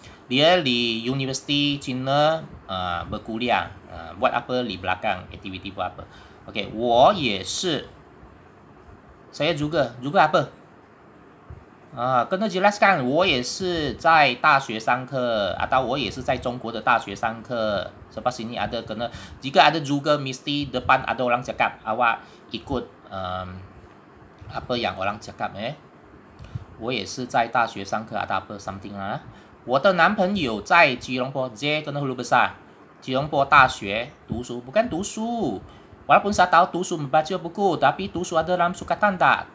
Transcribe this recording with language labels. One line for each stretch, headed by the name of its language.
Malay: Dia di University China berkuliah. Buat apa di belakang, aktiviti buat apa. Okay,
Chinese: 我也是.
Malay: Saya juga. Juga apa? Kena jelaskan.
Chinese: 我也是在大学上课. Atau 我也是在中国的大学上课.
Malay: Sebab sini ada kena. Jika ada juga, mesti depan ada orang cakap. Awak ikut apa yang orang cakap.
Chinese: 我也是在大学上课
Malay: atau apa, something lah.
Chinese: 我的男朋友在吉隆坡,
Malay: J kena huruf besar,
Chinese: 吉隆坡大学读书,
Malay: bukan
Chinese: 读书.
Malay: Walaupun saya tahu 读书 membaca buku, tapi 读书 ada dalam sukatan tak?